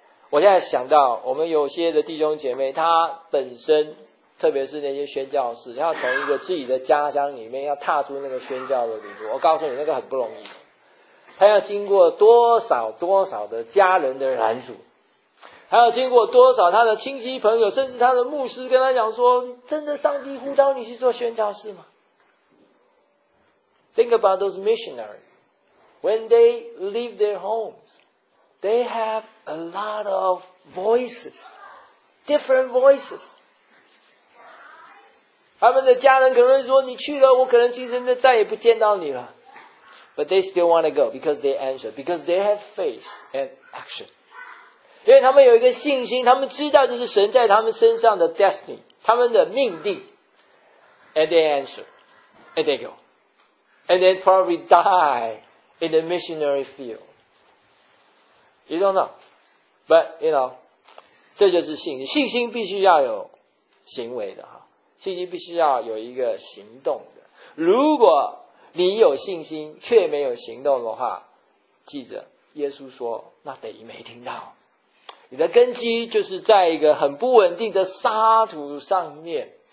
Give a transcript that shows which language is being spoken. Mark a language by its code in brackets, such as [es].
[zh] 我现在想到我们有些的弟兄姐妹，他本身特别是那些宣教士，要从一个自己的家乡里面要踏出那个宣教的旅途，我告诉你那个很不容易，他要经过多少多少的家人的拦阻，还有经过多少他的亲戚朋友甚至他的牧师跟他讲说，真的上帝呼召你去做宣教士吗？ [en] Think about those missionaries. When they leave their homes, they have a lot of voices, different voices. [zh] 他们的家人可能说，你去了我可能今生就再也不见到你了。 [en] But they still want to go because they answer, because they have faith and action. [zh] 因为他们有一个信心，他们知道这是神在他们身上的 destiny， 他们的命定。 [en] And they answer and they go and they probably die in the missionary field. You don't know, but you know， [zh] 这就是信心。信心必须要有行为的，信心必须要有一个行动的。如果你有信心却没有行动的话，记着耶稣说那等于没听到，你的根基就是在一个很不稳定的沙土上面。